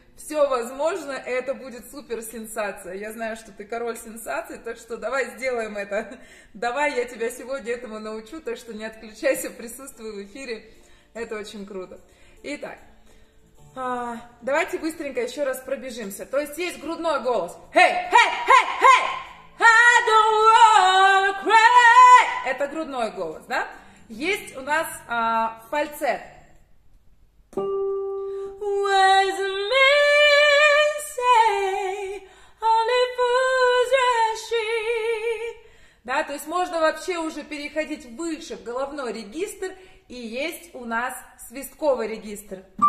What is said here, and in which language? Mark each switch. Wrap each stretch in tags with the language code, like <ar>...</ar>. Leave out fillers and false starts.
<ru>Все возможно, это будет суперсенсация. Я знаю, что ты король сенсаций, так что давай сделаем это. Давай, я тебя сегодня этому научу, так что не отключайся, присутствуй в эфире. Это очень круто. Итак, давайте быстренько еще раз пробежимся. То есть есть грудной голос.</ru> <en>Hey, hey, hey, hey! I don't wanna cry!</en> <ru>Это грудной голос, да? Есть у нас фальцет.</ru> <en>Wise men say, only fools rush in.</en> <ru>Да, то есть можно вообще уже переходить выше в головной регистр, и есть у нас свистковый регистр.</ru>